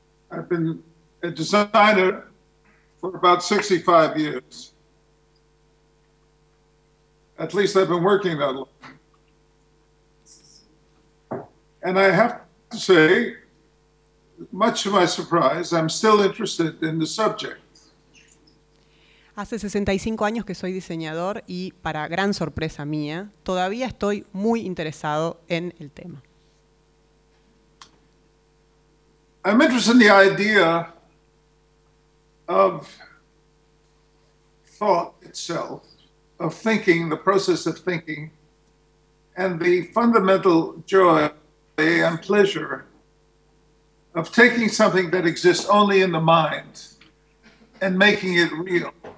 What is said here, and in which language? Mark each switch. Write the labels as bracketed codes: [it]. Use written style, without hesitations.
[en] I've been a designer for about 65 years. At least I've been working that long. And I have to say, much to my surprise, I'm still interested in the subject. [es] Hace 65 años que soy diseñador y, para gran sorpresa mía, todavía estoy muy interesado en el tema. [en] I'm interested in the idea of thought itself, of thinking, the process of thinking, and the fundamental joy and pleasure of taking something that exists only in the mind and making it real.